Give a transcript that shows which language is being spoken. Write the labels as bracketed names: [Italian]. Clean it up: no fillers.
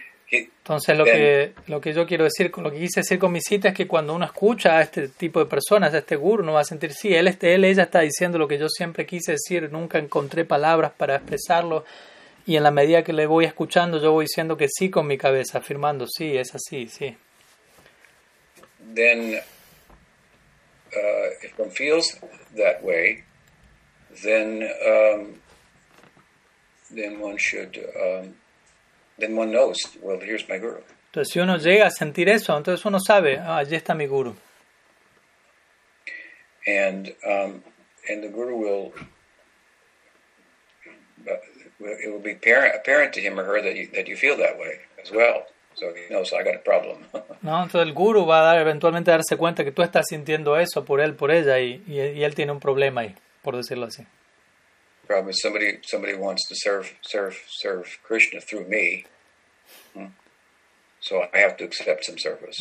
[Spanish] Entonces lo que yo quiero decir, lo que quise decir con mi cita es que cuando uno escucha a este tipo de personas, a este guru, uno va a sentir, sí, ella está diciendo lo que yo siempre quise decir, nunca encontré palabras para expresarlo, y en la medida que le voy escuchando, yo voy diciendo que sí con mi cabeza, afirmando, sí, es así, sí. [English] Then, if one feels that way, then one knows, well, here's my guru. [Spanish] Entonces, si uno llega a sentir eso, entonces uno sabe, oh, allí está mi guru. [English] And the guru will... it will be apparent to him or her that you feel that way as well. So he knows I got a problem. [Spanish] No, entonces el guru va a dar, eventualmente darse cuenta que tú estás sintiendo eso por él, por ella, y él tiene un problema ahí, por decirlo así. [English] Problem is somebody wants to serve Krishna through me. So I have to accept some service.